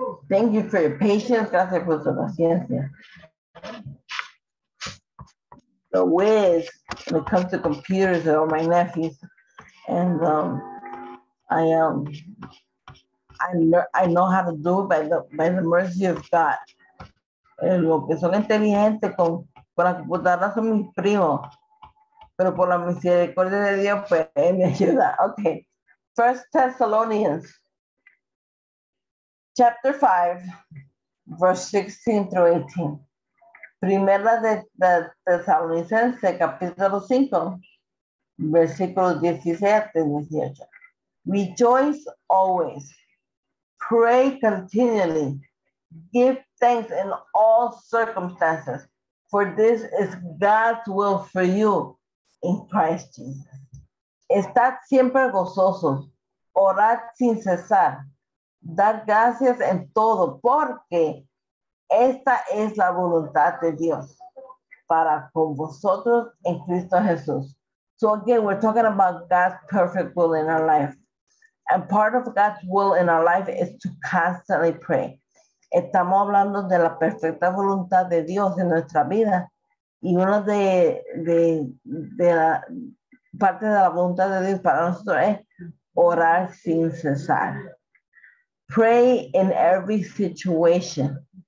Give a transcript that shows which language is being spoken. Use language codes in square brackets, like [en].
[en] Thank you for your patience. [es] Gracias por su paciencia. [en] The whiz when it comes to computers are my nephews, and I know how to do it by the mercy of God. [es] Lo que son inteligentes con la computadora son mis primos, pero por la misericordia de Dios pues él me ayuda. [en] Okay, First Thessalonians chapter 5, verse 16 through 18. [es] Primera de Tesalonicense, capítulo 5, versículos 17-18. [en] Rejoice always. Pray continually. Give thanks in all circumstances, for this is God's will for you in Christ Jesus. [es] Estad siempre gozosos. Orad sin cesar. Dad gracias en todo, porque esta es la voluntad de Dios para con vosotros en Cristo Jesús. [en] So again, we're talking about God's perfect will in our life. And part of God's will in our life is to constantly pray. [es] Estamos hablando de la perfecta voluntad de Dios en nuestra vida. Y una de la parte de la voluntad de Dios para nosotros es orar sin cesar. [en] Pray in every situation.